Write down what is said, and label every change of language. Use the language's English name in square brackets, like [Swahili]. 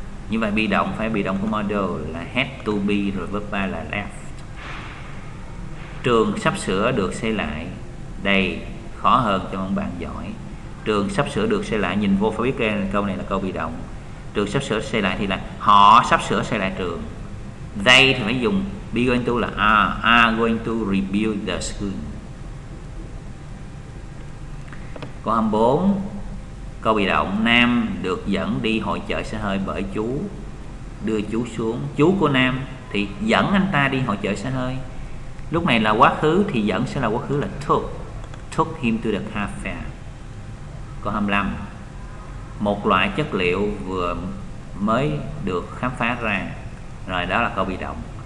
[Vietnamese] Như vậy bị động phải bị động của model là had to be, rồi verb 3 là left. Trường sắp sửa được xây lại. Đây khó hơn cho ông bạn giỏi. Trường sắp sửa được xây lại, nhìn vô phải biết câu này là câu bị động. Trường sắp sửa xây lại thì là họ sắp sửa xây lại trường. [English] They [Vietnamese] thì phải dùng [English] be going to là are going to rebuild the school. [Vietnamese] Câu 24, câu bị động, Nam được dẫn đi hội chợ xe hơi bởi chú. Đưa chú xuống. Chú của Nam thì dẫn anh ta đi hội chợ xe hơi. Lúc này là quá khứ thì dẫn sẽ là quá khứ là took. [English] Took him to the car fair. [Vietnamese] Câu 25, một loại chất liệu vừa mới được khám phá ra. Rồi đó là câu bị động.